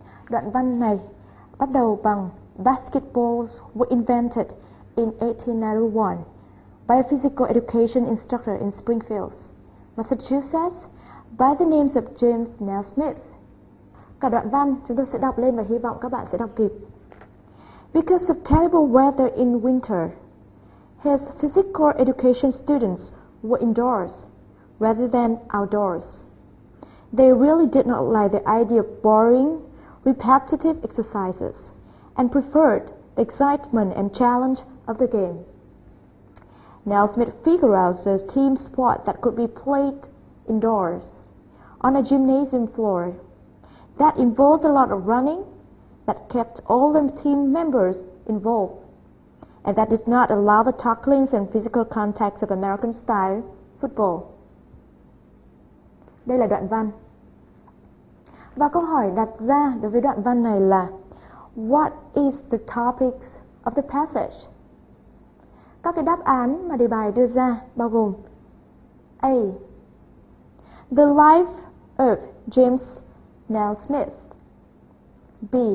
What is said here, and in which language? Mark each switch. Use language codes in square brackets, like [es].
[vi] Đoạn văn này bắt đầu bằng [en] "Basketballs were invented in 1891 by a physical education instructor in Springfield, Massachusetts, by the names of James Nesmith." [vi] Cả đoạn văn chúng tôi sẽ đọc lên và hy vọng các bạn sẽ đọc kịp. [en] "Because of terrible weather in winter, his physical education students were indoors rather than outdoors. They really did not like the idea of boring, repetitive exercises and preferred the excitement and challenge of the game. Nesmith figured out a team sport that could be played indoors on a gymnasium floor that involved a lot of running, that kept all the team members involved, and that did not allow the tacklings and physical contacts of American style football." [vi] Đây là đoạn văn. Và câu hỏi đặt ra đối với đoạn văn này là [en] "What is the topics of the passage?" [vi] Các cái đáp án mà đề bài đưa ra bao gồm: A. [en] The life of James Nesmith. B.